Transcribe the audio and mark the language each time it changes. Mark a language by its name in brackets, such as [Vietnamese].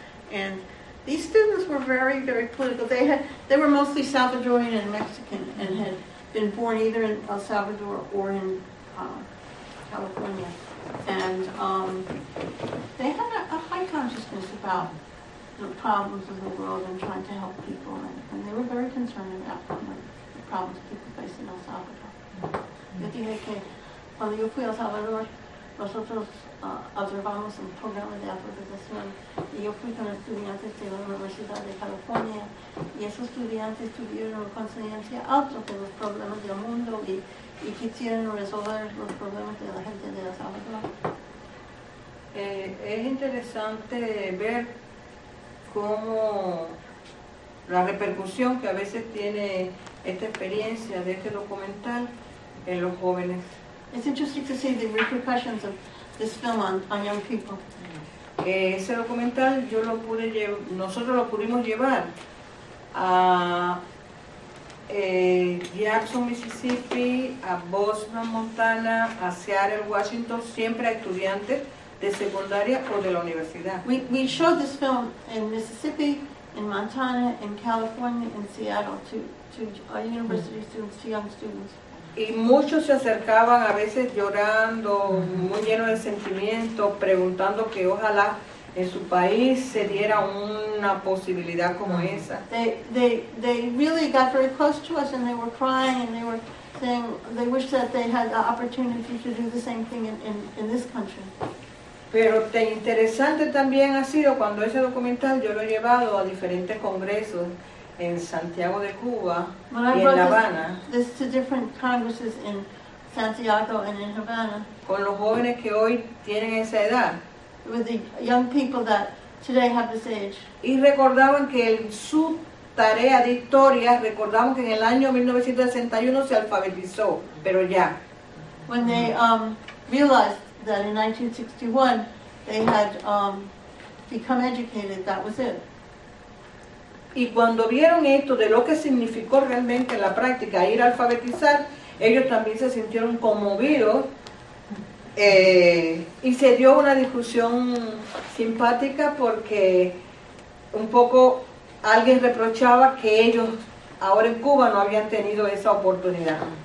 [English] And these students were very, very political. They were mostly Salvadorian and Mexican and had been born either in El Salvador or in California. And they had a high consciousness about the problems of the world and trying to help people. And they were very concerned about the problems people face in El Salvador. [Spanish] Yo dije que cuando yo fui a El Salvador, nosotros observamos un programa de alfabetización y yo fui con estudiantes de la Universidad de California y esos estudiantes tuvieron una conciencia alta de los problemas del mundo y quisieron resolver los problemas de la gente de El Salvador. Es interesante ver cómo la repercusión que a veces tiene esta experiencia de este documental en los jóvenes. [English] It's interesting to see the repercussions of this film on young people. [Spanish] Ese documental yo lo pude nosotros lo pudimos llevar a Jackson, Mississippi, a Bozeman, Montana, a Seattle, Washington, siempre a estudiantes de secundaria o de la universidad. [English] We showed this film in Mississippi, in Montana, in California, in Seattle to our university students, to young students. [Spanish] Y muchos se acercaban a veces llorando, muy llenos de sentimientos, preguntando que ojalá en su país se diera una posibilidad como esa. [English] They really got very close to us and they were crying and they were saying they wish that they had the opportunity to do the same thing in this country. [Spanish] Pero tan interesante también ha sido cuando ese documental yo lo he llevado a diferentes congresos en Santiago de Cuba y en La Habana. [English] This to different congresses in Santiago and in Havana. [Spanish] Con los jóvenes que hoy tienen esa edad. [English] With the young people that today have this age. [Spanish] Y recordaban que en su tarea de historia, recordaban que en el año 1961 se alfabetizó, pero ya. [English] When they realized that in 1961 they had become educated, that was it. [Spanish] Y cuando vieron esto de lo que significó realmente en la práctica ir a alfabetizar, ellos también se sintieron conmovidos y se dio una discusión simpática porque un poco alguien reprochaba que ellos ahora en Cuba no habían tenido esa oportunidad.